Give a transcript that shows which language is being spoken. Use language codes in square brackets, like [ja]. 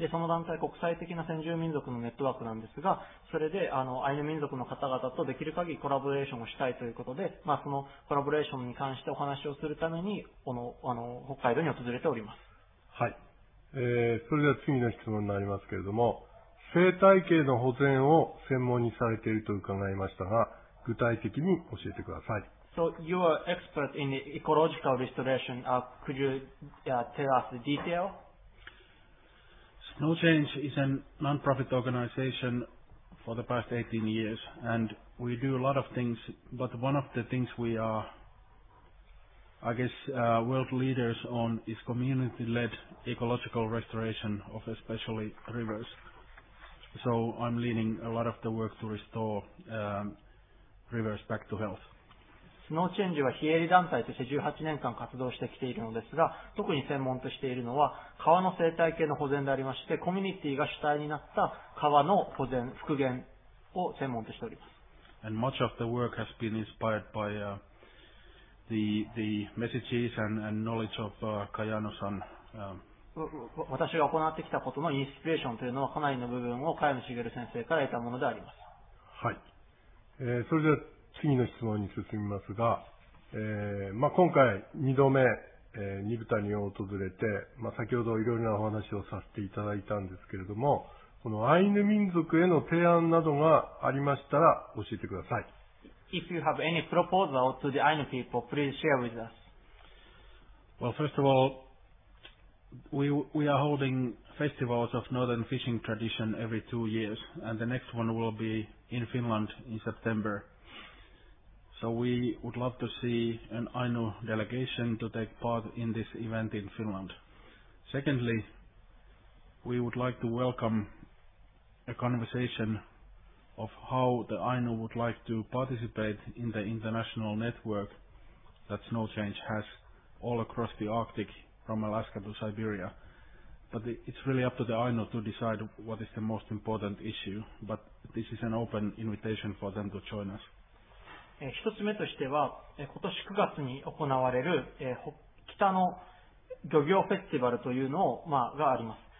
[ja] でその団体、国際的な先住民族のネットワークなんですが、それでアイヌ民族の方々とできる限りコラボレーションをしたいということで、まあ、そのコラボレーションに関してお話をするためにこの北海道に訪れております。はい。それでは次の質問になりますけれども、生態系の保全を専門にされていると伺いましたが、具体的に教えてください。 [en] So you are expert in the ecological restoration. Could you tell us the detail? Snow Change is a non-profit organization for the past 18 years, and we do a lot of things, but one of the things we areI guess world leaders on is community-led ecological restoration of especially rivers. So I'm leading a lot of the work to restore rivers back to health. [ja] Snow Change は非営利団体として18年間活動してきているのですが、特に専門としているのは川の生態系の保全でありまして、コミュニティが主体になった川の保全、復元を専門としております。 [en] And much of the work has been inspired by the messages and knowledge of Kayano-san. [ja] 私が行ってきたことのインスピレーションというのはかなりの部分を茅野茂先生から得たものであります。はい。それでは次の質問に進みますが、まあ、今回2度目、ニブタニを訪れて、まあ、先ほどいろいろなお話をさせていただいたんですけれども、このアイヌ民族への提案などがありましたら教えてください。 [en] If you have any proposal to the Ainu people, please share with us. Well, first of all, we are holding festivals of northern fishing tradition every 2 years, and the next one will be in Finland in September. So we would love to see an Ainu delegation to take part in this event in Finland. Secondly, we would like to welcome a conversation of how the Ainu would like to participate in the international network that SnowChange has all across the Arctic from Alaska to Siberia. But it's really up to the Ainu to decide what is the most important issue, but this is an open invitation for them to join us. [ja] 一つ目としては、今年9月に行われる北の漁業フェスティバルというのを、まあ、があります。